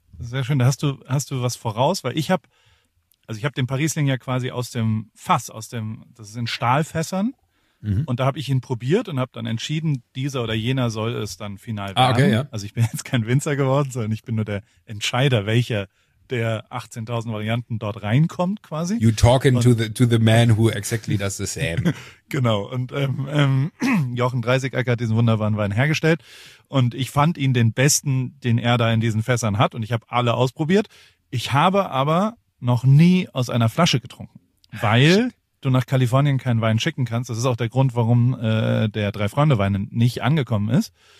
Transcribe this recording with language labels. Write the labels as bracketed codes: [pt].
[de] Sehr schön, da hast du was voraus, weil ich habe den Parisling ja quasi aus dem Fass, das ist in Stahlfässern und da habe ich ihn probiert und habe dann entschieden, dieser oder jener soll es dann final werden. Okay, ja. Also ich bin jetzt kein Winzer geworden, sondern ich bin nur der Entscheider, welcher der 18.000 Varianten dort reinkommt quasi. [en] You talking to the man who exactly does the same. [de] Genau, und Jochen Dreisigacker hat diesen wunderbaren Wein hergestellt und ich fand ihn den besten, den er da in diesen Fässern hat und ich habe alle ausprobiert. Ich habe aber noch nie aus einer Flasche getrunken, weil du nach Kalifornien keinen Wein schicken kannst. Das ist auch der Grund, warum der Drei-Freunde-Wein nicht angekommen ist.